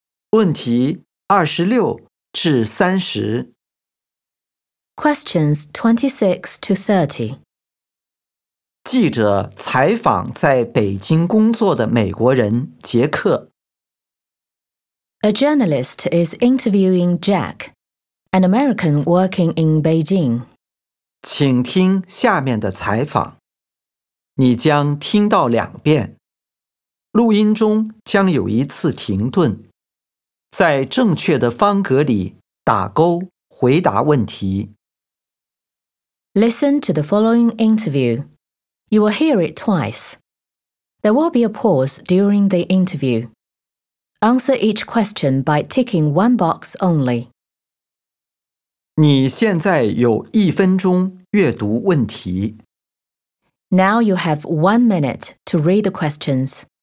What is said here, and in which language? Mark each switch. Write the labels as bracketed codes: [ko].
[zh] 问题26至 [en] 30。 Questions 26 to 30。 [zh] 记者采访在北京工作的美国人杰克。 [en] A journalist is interviewing Jack, an American working in Beijing. [zh] 请听下面的采访，你将听到两遍，录音中将有一次停顿，在正确的方格里打勾回答问题。 [en] Listen to the following interview. You will hear it twice. There will be a pause during the interview. Answer each question by ticking one box only. [zh] 你现在有一分钟阅读问题。 [en] Now you have 1 minute to read the questions.